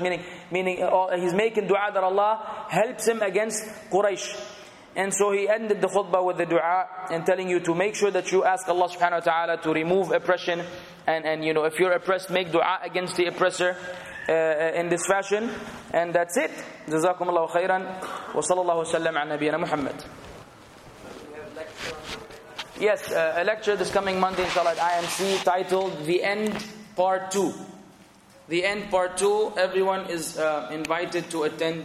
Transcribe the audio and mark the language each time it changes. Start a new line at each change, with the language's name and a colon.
English: Meaning, he's making dua that Allah helps him against Quraysh. And so he ended the khutbah with the dua and telling you to make sure that you ask Allah subhanahu wa ta'ala to remove oppression. And you know, if you're oppressed, make dua against the oppressor. In this fashion, and that's it.
Arabic: جزاكم الله خيرا وصلى الله وسلم على نبينا محمد.
English: Yes, a lecture this coming Monday inshallah at IMC titled The End Part 2. The End Part 2, everyone is invited to attend.